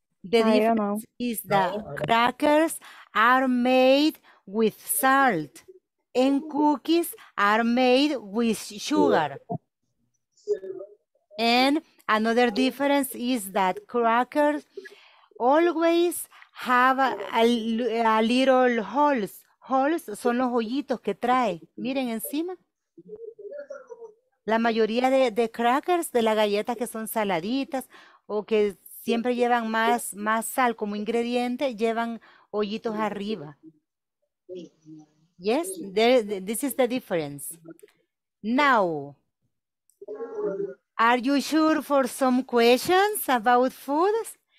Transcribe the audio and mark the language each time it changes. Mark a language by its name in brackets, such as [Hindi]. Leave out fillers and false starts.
[English] The difference is that crackers are made with salt and cookies are made with sugar. And another difference is that crackers always have a little holes. [Spanish] Holes son los hoyitos que trae. Miren encima. La mayoría de crackers, de las galletas que son saladitas o que siempre llevan más sal como ingrediente, llevan hoyitos arriba. [English] Yes, this is the difference. Now, are you sure for some questions about foods?